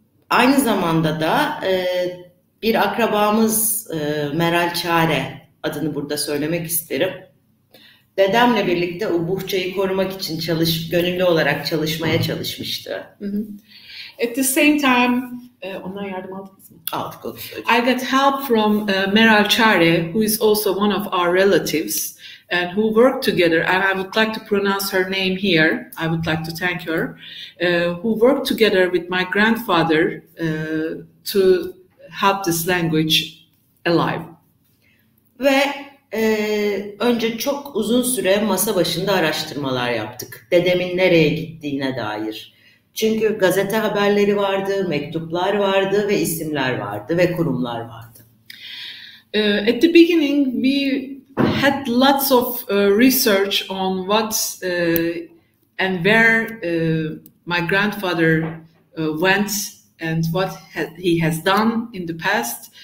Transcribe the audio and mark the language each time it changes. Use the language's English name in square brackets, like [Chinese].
[Turkish] Aynı zamanda da bir akrabamız Meral Çare adını burada söylemek isterim. Dedemle birlikte Ubuhça'yı korumak için gönüllü olarak çalışmaya çalışmıştı. Mm-hmm. [English] At the same time, [Turkish] ona yardım aldınız mı? Aldık, oldu. [English] I got help from Meral Çare, who is also one of our relatives. And who worked together, and I would like to pronounce her name here, I would like to thank her, who worked together with my grandfather to help this language alive. [Turkish] Ve önce çok uzun süre masa başında araştırmalar yaptık, dedemin nereye gittiğine dair. Çünkü gazete haberleri vardı, mektuplar vardı ve isimler vardı ve kurumlar vardı. [English] At the beginning, we had lots of research on what and where my grandfather went and what he has done in the past.